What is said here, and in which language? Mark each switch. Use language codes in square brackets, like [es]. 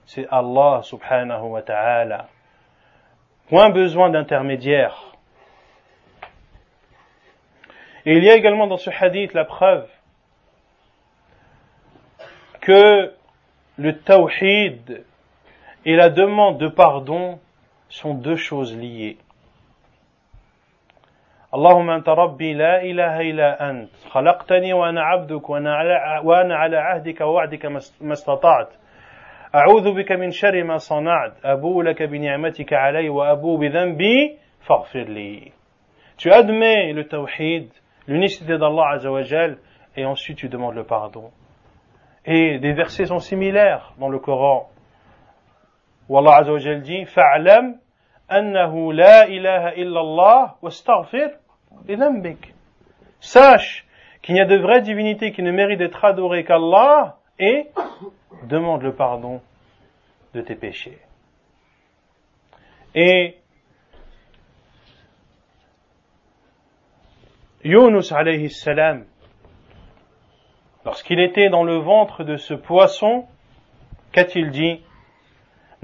[fr] C'est Allah subhanahu wa ta'ala. Point besoin d'intermédiaire. Et il y a également dans ce hadith la preuve que le tawhid et la demande de pardon sont deux choses liées. [ar] اللهم أنت ربي لا إله إلا أنت خلقتني وأنا عبدك وأنا على عهدك ووعدك ما استطعت أعوذ بك من شر ما صنعت أبو لك بنعمتك علي وأبو بذنبي فاغفر لي [fr] Tu admets le tawhid, l'unicité d'Allah Azza wa Jal, et ensuite tu demandes le pardon. Et des versets sont similaires dans le Coran. Où Allah Azza wa Jal dit, [ar] فَعْلَمْ أنه لا إله إلا الله واستغفر لذنبك. [fr] Sache qu'il n'y a de vraie divinité qui ne mérite d'être adorée qu'Allah et demande le pardon de tes péchés. Et Yunus alayhi salam, lorsqu'il était dans le ventre de ce poisson, qu'a-t-il dit ?